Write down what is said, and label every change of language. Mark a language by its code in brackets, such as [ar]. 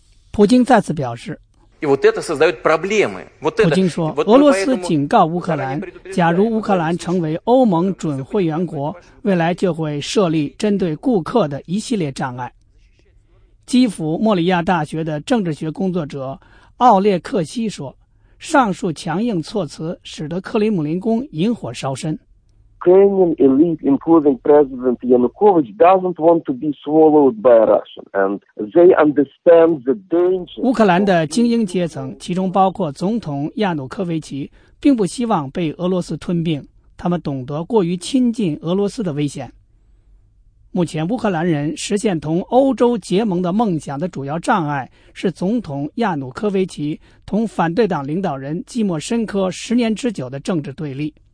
[zh] 普京再次表示，普京说俄罗斯警告乌克兰，假如乌克兰成为欧盟准会员国，未来就会设立针对顾客的一系列障碍。基辅莫里亚大学的政治学工作者奥列克西说，上述强硬措辞使得克里姆林宫引火烧身。 [en] Ukrainian elite, including President Yanukovych, doesn't want to be swallowed by Russia, and they understand the danger. [zh] 乌克兰的精英阶层，其中包括总统亚努科维奇，并不希望被俄罗斯吞并。他们懂得过于亲近俄罗斯的危险。目前，乌克兰人实现同欧洲结盟的梦想的主要障碍是总统亚努科维奇同反对党领导人季莫申科十年之久的政治对立。